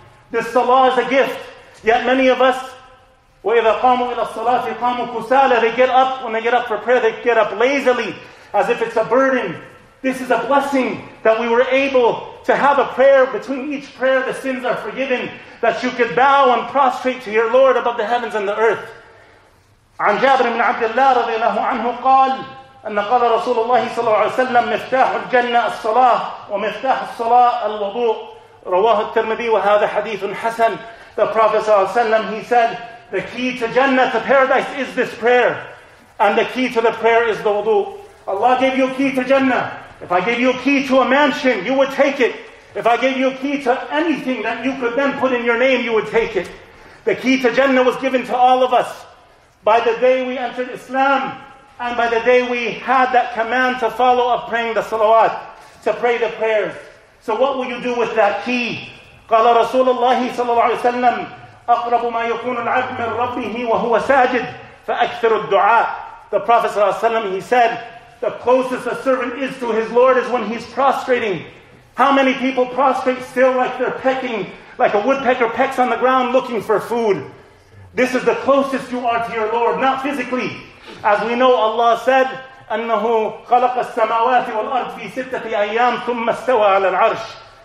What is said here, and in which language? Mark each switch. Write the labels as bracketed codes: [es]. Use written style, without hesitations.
[en] This salah is a gift. Yet many of us, [ar] وَإِذَا قَامُوا إِلَى الصَّلَاةِ قَامُوا كُسَالَ. [en] They get up, when they get up for prayer, they get up lazily, as if it's a burden. This is a blessing that we were able to have a prayer. Between each prayer, the sins are forgiven, that you could bow and prostrate to your Lord above the heavens and the earth. [ar] عن جابر بن عبد الله رضي الله عنه قال أن قال رسول الله صلى الله عليه وسلم مفتاح الجنة الصلاة ومفتاح الصلاة الوضوء رواه الترمذي وهذا حديث حسن. [en] The Prophet صلى الله عليه وسلم, he said, the key to Jannah, to paradise, is this prayer. And the key to the prayer is the wudu. Allah gave you a key to Jannah. If I gave you a key to a mansion, you would take it. If I gave you a key to anything that you could then put in your name, you would take it. The key to Jannah was given to all of us by the day we entered Islam and by the day we had that command to follow of praying the salawat, to pray the prayers. So what will you do with that key? [ar] قال رسول الله صلى الله عليه وسلم أقرب ما يكون العبد من ربه وهو ساجد فأكثر الدعاء. [en] The Prophet صلى الله عليه وسلم, he said, the closest a servant is to his Lord is when he's prostrating. How many people prostrate still like they're pecking, like a woodpecker pecks on the ground looking for food. This is the closest you are to your Lord, not physically. As we know, Allah said, [ar] أَنَّهُ خَلَقَ السَّمَاوَاتِ وَالْأَرْضِ فِي سِتَّةِ أَيَّامٍ ثُمَّ اسْتَوَى عَلَى الْعَرْشِ.